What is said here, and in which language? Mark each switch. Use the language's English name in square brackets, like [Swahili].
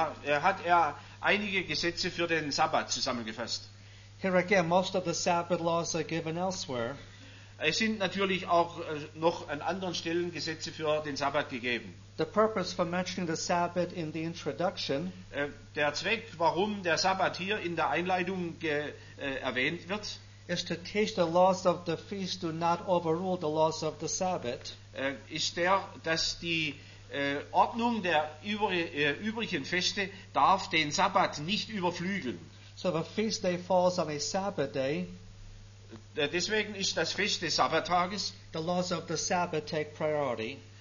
[German] Er hat einige Gesetze für den Sabbat zusammengefasst. [English] Here again, most of the Sabbath laws are given elsewhere. [German] Es sind natürlich auch noch an anderen Stellen Gesetze für den Sabbat gegeben. [English] The purpose for mentioning the Sabbath in the introduction. [German] Der Zweck, warum der Sabbat hier in der Einleitung erwähnt wird, [English] is to teach the laws of the feast do not overrule the laws of the Sabbath. [German] Ist der, dass die Ordnung der übrigen Feste darf den Sabbat nicht überflügeln. [English] So the feast day falls on a Sabbath day. [German] Deswegen ist das Fest des Sabbattages. [English] The laws of the Sabbath take priority.